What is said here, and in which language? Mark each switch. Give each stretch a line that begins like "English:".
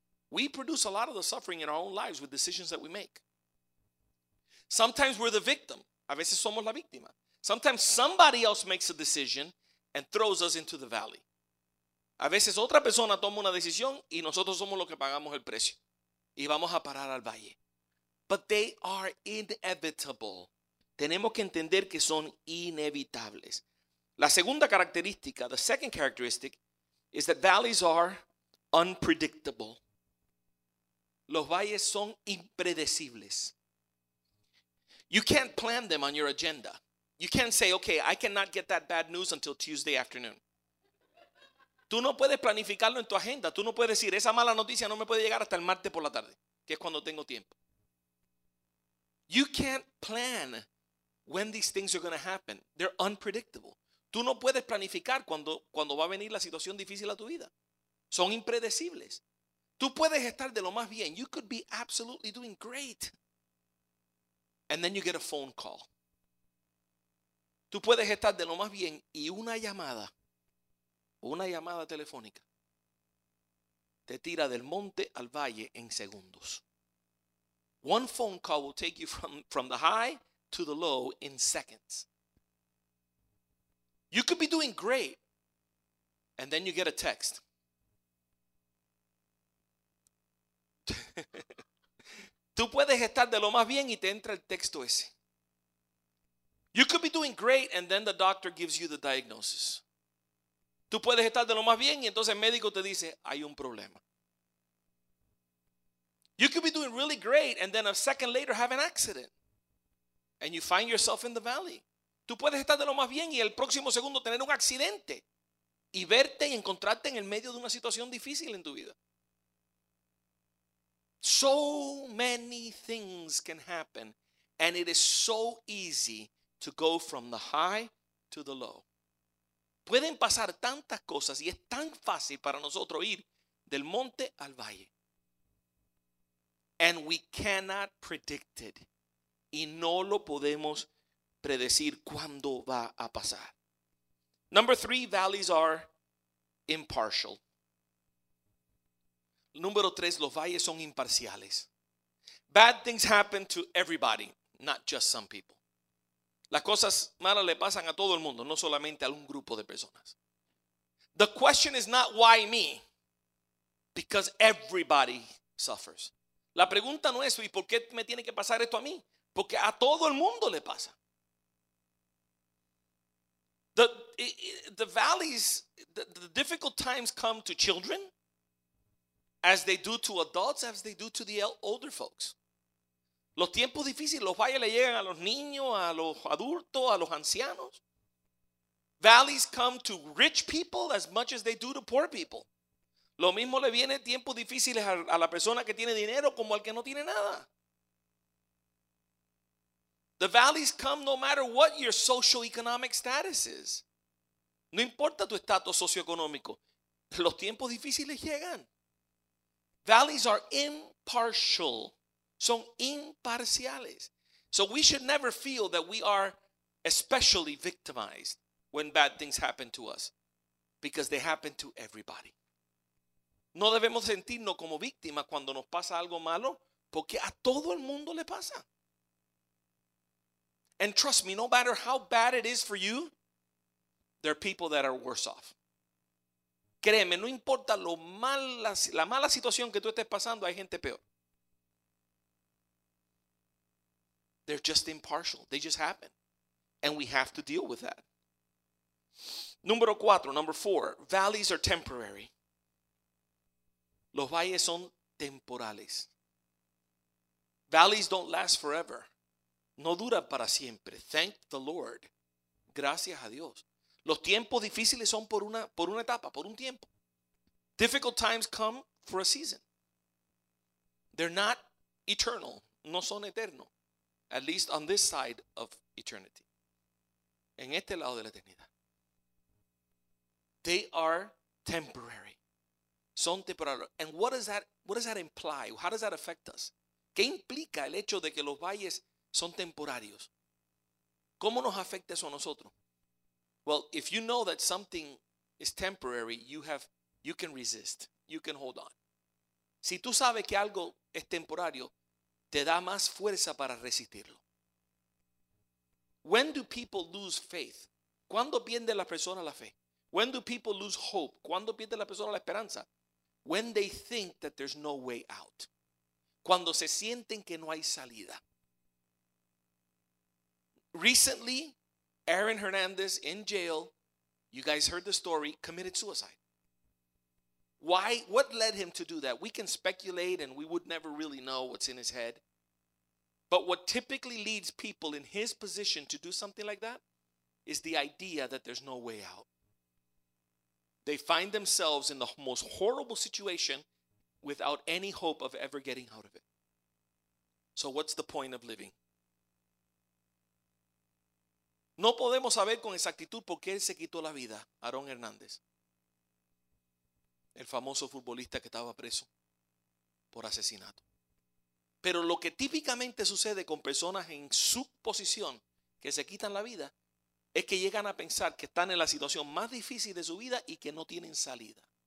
English: We produce a lot of the suffering in our own lives with decisions that we make. Sometimes we're the victim.
Spanish: A veces somos la víctima.
English: Sometimes somebody else makes a decision and throws us into the valley.
Spanish: A veces otra persona toma una decisión y nosotros somos los que pagamos el precio. Y vamos a parar al valle.
English: But they are inevitable.
Spanish: Tenemos que entender que son inevitables. La segunda característica,
English: the second characteristic, is that valleys are unpredictable.
Spanish: Los valles son impredecibles.
English: You can't plan them on your agenda. You can't say, okay, I cannot get that bad news until Tuesday afternoon.
Spanish: Tú no puedes planificarlo en tu agenda. Tú no puedes decir, esa mala noticia no me puede llegar hasta el martes por la tarde, que es cuando tengo tiempo.
English: You can't plan when these things are going to happen. They're unpredictable.
Spanish: Tú no puedes planificar cuando va a venir la situación difícil a tu vida. Son impredecibles. Tú puedes estar de lo más bien.
English: You could be absolutely doing great. And then you get a phone call.
Spanish: Tú puedes estar de lo más bien y una llamada telefónica te tira del monte al valle en segundos.
English: One phone call will take you from the high to the low in seconds. You could be doing great, and then you get a text.
Spanish: Tú puedes estar de lo más bien y te entra el texto ese.
English: You could be doing great, and then the doctor gives you the diagnosis.
Spanish: Tú puedes estar de lo más bien y entonces el médico te dice, hay un problema.
English: You could be doing really great and then a second later have an accident. And you find yourself in the valley.
Spanish: Tú puedes estar de lo más bien y el próximo segundo tener un accidente. Y verte y encontrarte en el medio de una situación difícil en tu vida.
English: So many things can happen. And it is so easy to go from the high to the low.
Spanish: Pueden pasar tantas cosas y es tan fácil para nosotros ir del monte al valle.
English: And we cannot predict it.
Spanish: Y no lo podemos predecir cuándo va a pasar.
English: Number three, valleys are impartial.
Spanish: Número tres, los valles son imparciales.
English: Bad things happen to everybody, not just some people.
Spanish: Las cosas malas le pasan a todo el mundo, no solamente a un grupo de personas.
English: The question is not why me, because everybody suffers.
Spanish: La pregunta no es, ¿y por qué me tiene que pasar esto a mí? Porque a todo el mundo le pasa.
English: The valleys, the difficult times come to children, as they do to adults, as they do to the older folks.
Spanish: Los tiempos difíciles, los valles le llegan a los niños, a los adultos, a los ancianos.
English: Valleys come to rich people as much as they do to poor people.
Spanish: Lo mismo le viene tiempos difíciles a la persona que tiene dinero como al que no tiene nada.
English: The valleys come no matter what your socioeconomic status is.
Spanish: No importa tu estatus socioeconómico. Los tiempos difíciles llegan.
English: Valleys are impartial.
Spanish: Son imparciales.
English: So we should never feel that we are especially victimized when bad things happen to us, because they happen to everybody.
Spanish: No debemos sentirnos como víctimas cuando nos pasa algo malo, porque a todo el mundo le pasa.
English: And trust me, no matter how bad it is for you, there are people that are worse off.
Spanish: Créeme, no importa lo mala, la mala situación que tú estés pasando, hay gente peor.
English: They're just impartial. They just happen. And we have to deal with that. Number four, valleys are temporary.
Spanish: Los valles son temporales.
English: Valleys don't last forever.
Spanish: No dura para siempre.
English: Thank the Lord.
Spanish: Gracias a Dios. Los tiempos difíciles son por una etapa, por un tiempo.
English: Difficult times come for a season. They're not eternal.
Spanish: No son eternos.
English: At least on this side of eternity.
Spanish: En este lado de la eternidad.
English: They are temporary.
Spanish: Son temporal.
English: And what does that imply? How does that affect us?
Spanish: ¿Qué implica el hecho de que los valles son temporarios? ¿Cómo nos afecta eso a nosotros?
English: Well, if you know that something is temporary, you can resist. You can hold on.
Spanish: Si tú sabes que algo es temporario, te da más fuerza para resistirlo.
English: When do people lose faith?
Spanish: ¿Cuándo pierde la persona la fe?
English: When do people lose hope?
Spanish: ¿Cuándo pierde la persona la esperanza?
English: When they think that there's no way out.
Spanish: Cuando se sienten que no hay salida.
English: Recently, Aaron Hernandez in jail, you guys heard the story, committed suicide. Why? What led him to do that? We can speculate and we would never really know what's in his head. But what typically leads people in his position to do something like that is the idea that there's no way out. They find themselves in the most horrible situation without any hope of ever getting out of it. So what's the point of living?
Spanish: No podemos saber con exactitud por qué él se quitó la vida, Aaron Hernández, el famoso futbolista que estaba preso por asesinato. Pero lo que típicamente sucede con personas en su posición que se quitan la vida es que llegan a pensar que están en la situación más difícil de su vida y que no tienen salida.